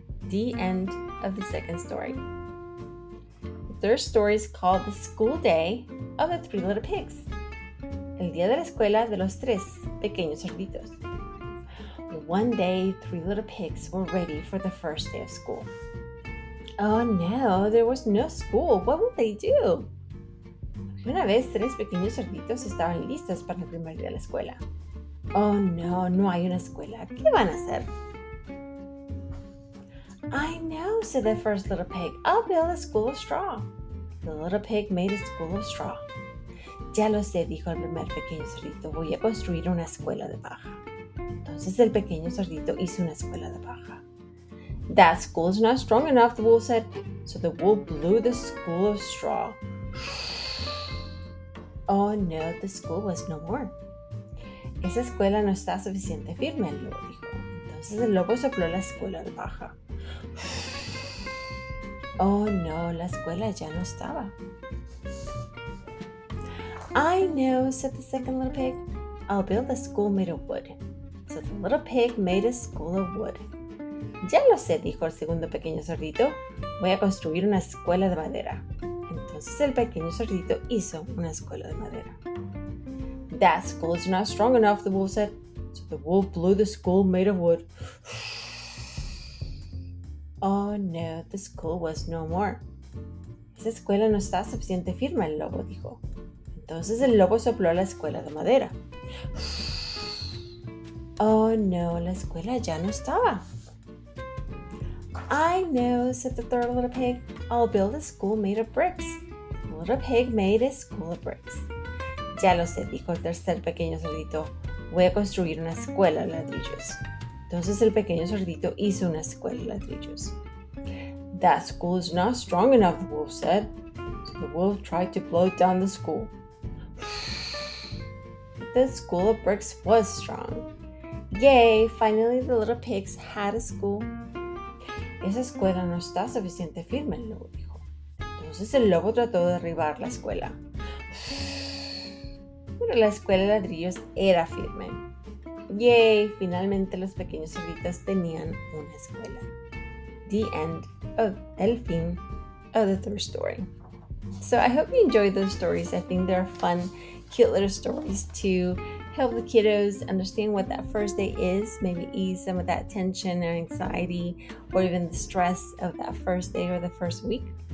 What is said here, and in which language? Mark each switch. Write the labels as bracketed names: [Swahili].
[English] The end of the second story. The third story is called The School Day of the Three Little Pigs. [Spanish] El día de la escuela de los tres pequeños cerditos. [English] One day, three little pigs were ready for the first day of school. Oh no, there was no school. What would they do? [Spanish] Una vez, tres pequeños cerditos estaban listos para el primer día de la escuela. Oh no, no hay una escuela. ¿Qué van a hacer? [English] I know, said the first little pig. I'll build a school of straw. The little pig made a school of straw. [Spanish] Ya lo sé, dijo el primer pequeño cerdito. Voy a construir una escuela de paja. Entonces el pequeño cerdito hizo una escuela de paja. [English] That school is not strong enough, the wolf said. So the wolf blew the school of straw. Oh no, the school was no more. [Spanish] Esa escuela no está suficiente firme, el lobo dijo. Entonces el lobo sopló la escuela de paja. Oh no, la escuela ya no estaba. [English] I know, said the second little pig. I'll build a school made of wood. So the little pig made a school of wood. [Spanish] Ya lo sé, dijo el segundo pequeño cerdito. Voy a construir una escuela de madera. Entonces el pequeño cerdito hizo una escuela de madera. [English] That school is not strong enough, the wolf said. So the wolf blew the school made of wood. Oh no, the school was no more. [Spanish] Esa escuela no está suficiente firme, el lobo dijo. Entonces el lobo sopló la escuela de madera. Oh no, la escuela ya no estaba. [English] I know, said the third little pig. I'll build a school made of bricks. The little pig made a school of bricks. [Spanish] Ya lo sé, dijo el tercer pequeño cerdito. Voy a construir una escuela de ladrillos. Entonces el pequeño cerdito hizo una escuela de ladrillos. [English] That school is not strong enough, the wolf said. So the wolf tried to blow down the school. The school of bricks was strong. Yay, finally the little pigs had a school. [Spanish] Esa escuela no está suficiente firme, el lobo dijo. Entonces el lobo trató de derribar la escuela. Pero la escuela de ladrillos era firme. Yay, finalmente los pequeños cerditos tenían una escuela. [English] The end of [Spanish] el fin [English] of the third story. So I hope you enjoyed those stories. I think they're fun, cute little stories to help the kiddos understand what that first day is, maybe ease some of that tension or anxiety or even the stress of that first day or the first week.